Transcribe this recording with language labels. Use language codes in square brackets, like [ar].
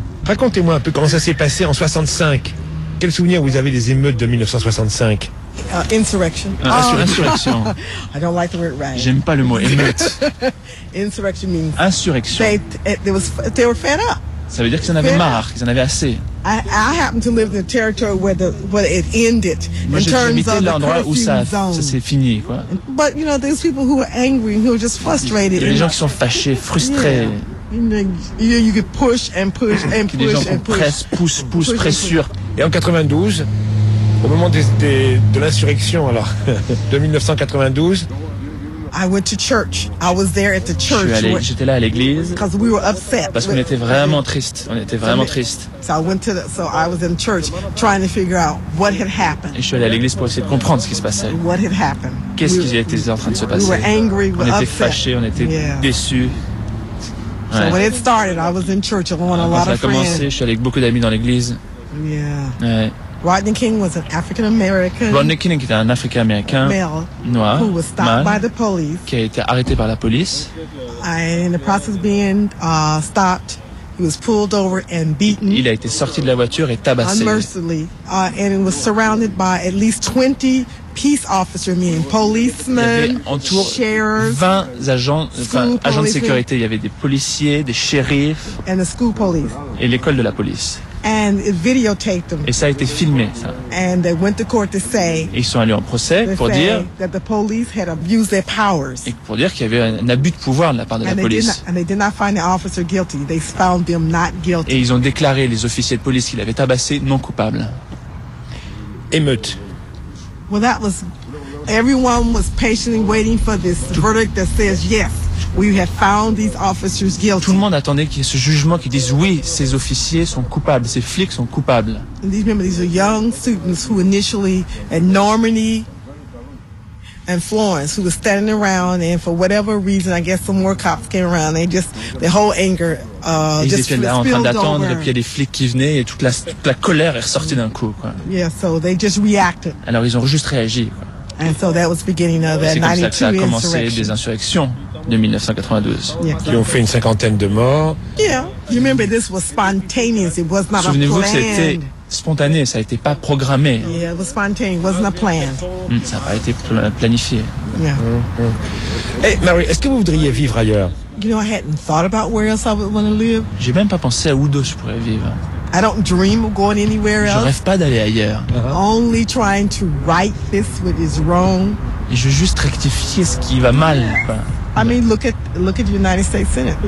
[fr] Racontez-moi un peu comment ça s'est passé en 65. Quel souvenir vous avez des émeutes de 1965? [en] Insurrection. I don't like the word riot. [fr] J'aime pas le mot émeute. [en] Insurrection means. Insurrection. They were fed up. [fr] Ça veut dire qu'ils en avaient marre, qu'ils en avaient assez. [en] I happen to live in a territory where it ended. [fr] Moi, [en] in terms of the curfew [fr] zone. Ça s'est fini, quoi. [en] But you know, there's people who are angry, who are just frustrated. [fr] Il y a des gens qui sont fâchés, frustrés. [en] Yeah. You could push and push and push. [fr] Des gens qui pressent, poussent, pressurent. Et en 92. Au moment de l'insurrection, alors, de 1992. [en] I went to church. I was there at the church. [fr] J'étais là à l'église. [en] Because we were upset. [fr] Parce qu'on était vraiment tristes. On était vraiment tristes. [en] So I went to the, so I was in church trying to figure out what had happened. [fr] Et je suis allé à l'église pour essayer de comprendre ce qui se passait. [en] What had happened. [fr] Qu'est-ce qui était en train de se passer? [en] We were angry, [fr] on était [en] upset. [fr] Fâchés, on était déçus. Ouais. [en] So when it started, I was in church alone, [fr] quand [en] a lot of friends. [fr] Ça a commencé, je suis allé avec beaucoup d'amis dans l'église. [en] Yeah. [fr] Ouais. [en] Rodney King was an African American. [fr] Rodney King était un Africain-Américain noir, [en] who was stopped by the police. [fr] Qui a été arrêté par la police. [en] In the process of being stopped, he was pulled over and beaten. [fr] Il a été sorti de la voiture et tabassé. [en] Unmercifully, and was surrounded by at least 20 peace officers, meaning policemen, sheriffs, [fr] 20 agents, agents de sécurité. Il y avait des policiers, des shérifs, [en] and the school police. [fr] Et l'école de la police. [en] And videotaped them. [fr] Et ça a été filmé, ça. [en] And they went to court to say, [fr] ils sont allés en procès pour dire [en] that the police had abused their powers. [fr] Et pour dire qu'il y avait un abus de pouvoir de la part de [en] and [fr] la police. [en] Did not, and they did not find the officer guilty. They found them not guilty. [fr] Et ils ont déclaré les officiers de police qu'ils avaient tabassés non coupables. Émeute. [en] Well, that was everyone was patiently waiting for this verdict that says yes. We have found these officers guilty. [fr] Tout le monde attendait qu'il y ait ce jugement qui dise oui, ces officiers sont coupables, ces flics sont coupables. [en] These members, these are young students who initially at Normandy and Florence who were standing around and for whatever reason, I guess some more cops came around. They just the whole anger just spilled over. [fr] Ils étaient là en train d'attendre, et puis il y a des flics qui venaient et toute la colère est ressortie d'un coup. Quoi. [en] Yeah, so they just reacted. [fr] Alors ils ont juste réagi. Quoi. [en] And so that was the beginning of that 92 insurrection. [fr] C'est comme ça que ça a commencé des insurrections. De 1992. Qui ont fait une cinquantaine de morts. [en] Yeah. You remember this was spontaneous. It was not [fr] souvenez-vous [en] a plan. [fr] Que c'était spontané, ça n'était pas programmé. [en] Yeah, it was spontaneous. It wasn't a plan. [fr] Ça n'a pas été planifié. Yeah. Mm-hmm. Hey, Mary, est-ce que vous voudriez vivre ailleurs? [en] You know, I hadn't thought about where else I would want to live. [fr] J'ai même pas pensé à où d'autre je pourrais vivre. [en] I don't dream of going anywhere else. [fr] Je rêve pas d'aller ailleurs. Uh-huh. [en] Only trying to right this what is wrong. [fr] Et je veux juste rectifier ce qui va mal. [en] I mean, look at the United States Senate.